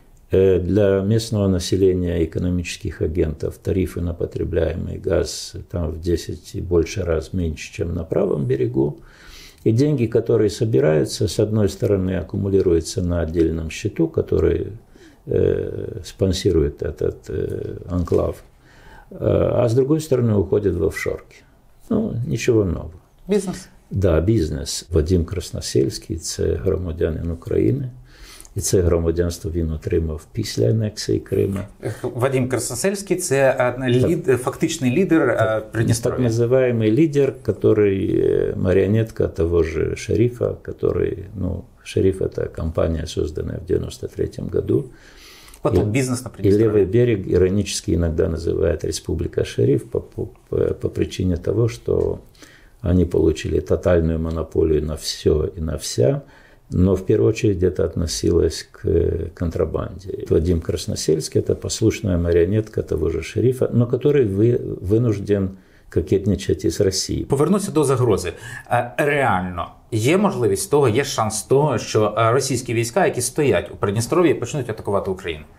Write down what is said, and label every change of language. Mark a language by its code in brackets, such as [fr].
[ru] Для местного населения и экономических агентов тарифы на потребляемый газ там в 10 и больше раз меньше, чем на правом берегу. И деньги, которые собираются, с одной стороны, аккумулируются на отдельном счету, который спонсирует этот анклав, а с другой стороны уходит в офшорки. Ну, ничего нового. Бизнес? Да, бизнес. [uk] Вадим Красносельский, це громадянин України, і це громадянство він отримав після анексії Криму. Вадим Красносельський – це фактичний лідер Придністров'я. Так називаємий лідер, який маріонетка того ж шерифа, який, ну, шериф – це компанія, створена [ru] в 93-м году. [uk] Потом бізнес на Придністров'я. І Левий берег іронічно іноді називає Республіка Шериф по причині того, що вони отримали тотальну монополію на все і на вся. [ru] Но в первую очередь это относилось к контрабанде. Вадим Красносельский – это послушная марионетка того же шерифа, но который вынужден кокетничать из России. Повернуться до загрозы. Реально, есть возможность того, есть шанс того, что российские войска, которые стоят у Приднестровья, начнут атаковать Украину?